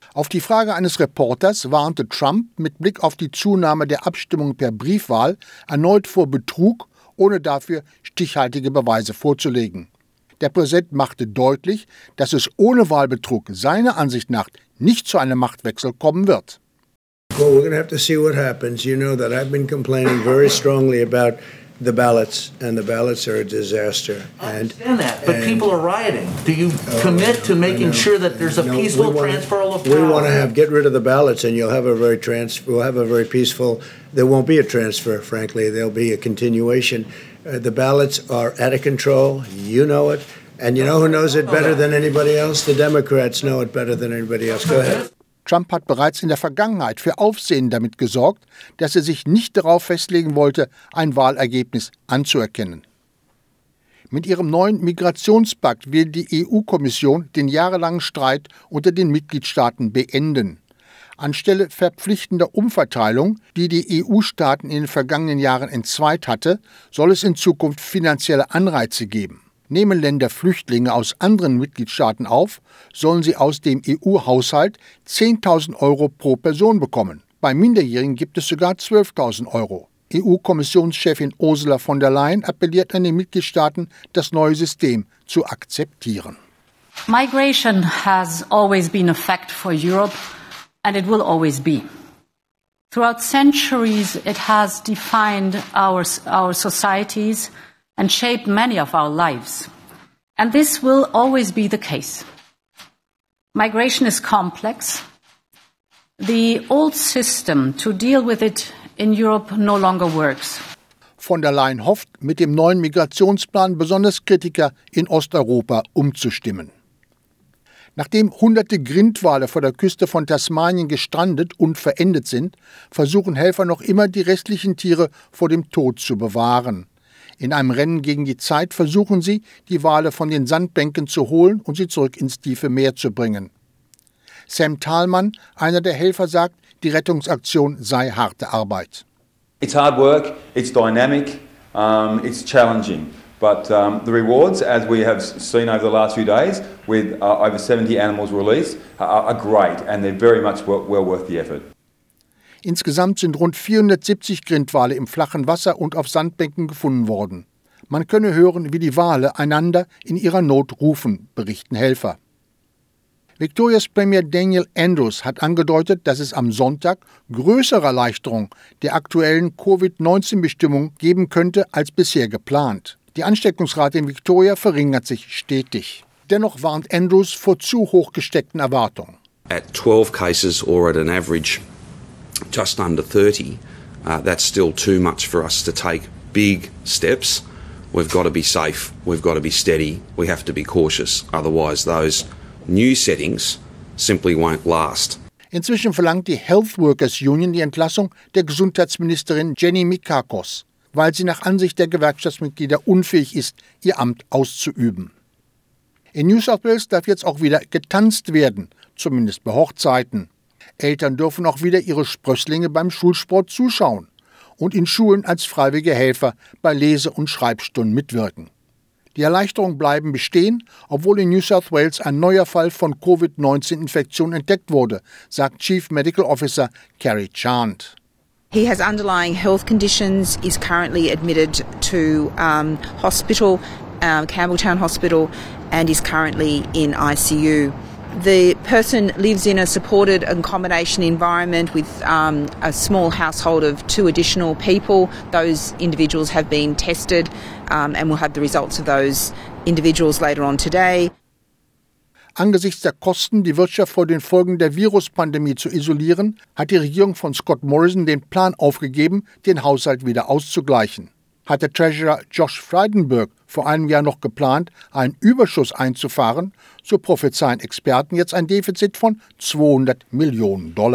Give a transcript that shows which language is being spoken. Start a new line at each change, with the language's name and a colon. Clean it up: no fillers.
German: Auf die Frage eines Reporters warnte Trump mit Blick auf die Zunahme der Abstimmung per Briefwahl erneut vor Betrug, ohne dafür stichhaltige Beweise vorzulegen. Der Präsident machte deutlich, dass es ohne Wahlbetrug seiner Ansicht nach nicht zu einem Machtwechsel kommen wird.
English: Well, we're gonna have to see what happens. You know that I've been complaining very strongly about the ballots, and the ballots are a disaster. And, I understand that, but people are rioting. Do you commit to making sure that there's a peaceful transfer of power? We want to get rid of the ballots, and you'll have a very transfer. We'll have a very peaceful. There won't be a transfer, frankly. There'll be a continuation. The ballots are out of control. You know it, and you know who knows it better than anybody else. The Democrats know it better than anybody else. Go ahead.
German: Trump hat bereits in der Vergangenheit für Aufsehen damit gesorgt, dass er sich nicht darauf festlegen wollte, ein Wahlergebnis anzuerkennen. Mit ihrem neuen Migrationspakt will die EU-Kommission den jahrelangen Streit unter den Mitgliedstaaten beenden. Anstelle verpflichtender Umverteilung, die die EU-Staaten in den vergangenen Jahren entzweit hatte, soll es in Zukunft finanzielle Anreize geben. Nehmen Länder Flüchtlinge aus anderen Mitgliedstaaten auf, sollen sie aus dem EU-Haushalt 10.000 Euro pro Person bekommen. Bei Minderjährigen gibt es sogar 12.000 Euro. EU-Kommissionschefin Ursula von der Leyen appelliert an die Mitgliedstaaten, das neue System zu akzeptieren.
English: Migration has always been a fact for Europe and it will always be. Throughout centuries it has defined our societies and shape many of our lives. And this will always be the case. Migration is complex. The old system to deal with it in Europe no longer works.
German: Von der Leyen hofft, mit dem neuen Migrationsplan besonders Kritiker in Osteuropa umzustimmen. Nachdem hunderte Grindwale vor der Küste von Tasmanien gestrandet und verendet sind, versuchen Helfer noch immer, die restlichen Tiere vor dem Tod zu bewahren. In einem Rennen gegen die Zeit versuchen sie, die Wale von den Sandbänken zu holen und sie zurück ins tiefe Meer zu bringen. Sam Thalmann, einer der Helfer, sagt, die Rettungsaktion sei harte Arbeit.
English: It's hard work, it's dynamic, it's challenging. But the rewards, as we have seen over the last few days, with over 70 animals released, are great and they're very much well worth the effort.
German: Insgesamt sind rund 470 Grindwale im flachen Wasser und auf Sandbänken gefunden worden. Man könne hören, wie die Wale einander in ihrer Not rufen, berichten Helfer. Victorias Premier Daniel Andrews hat angedeutet, dass es am Sonntag größere Erleichterung der aktuellen Covid-19-Bestimmung geben könnte als bisher geplant. Die Ansteckungsrate in Victoria verringert sich stetig. Dennoch warnt Andrews vor zu hoch gesteckten Erwartungen.
English: At 12 cases or at an average just under 30, that's still too much for us to take big steps. We've got to be safe, we've got to be steady, we have to be cautious, otherwise those new settings simply won't last.
German: Inzwischen verlangt die Health Workers Union die Entlassung der Gesundheitsministerin Jenny Mikakos, weil sie nach Ansicht der Gewerkschaftsmitglieder unfähig ist, ihr Amt auszuüben. In New South Wales darf jetzt auch wieder getanzt werden, zumindest bei Hochzeiten. Eltern dürfen auch wieder ihre Sprösslinge beim Schulsport zuschauen und in Schulen als freiwillige Helfer bei Lese- und Schreibstunden mitwirken. Die Erleichterungen bleiben bestehen, obwohl in New South Wales ein neuer Fall von Covid-19-Infektion entdeckt wurde, sagt Chief Medical Officer Kerry Chant.
English: He has underlying health conditions, is currently admitted to hospital, Campbelltown Hospital, and is currently in ICU. the person lives in a supported accommodation environment with a small household of two additional people. Those individuals have been tested and we'll have the results of those individuals later on today.
German: Angesichts der Kosten, die Wirtschaft vor den Folgen der Viruspandemie zu isolieren, hat die Regierung von Scott Morrison den Plan aufgegeben, den Haushalt wieder auszugleichen. Hatte Treasurer Josh Frydenberg vor einem Jahr noch geplant, einen Überschuss einzufahren, so prophezeien Experten jetzt ein Defizit von $200 Millionen.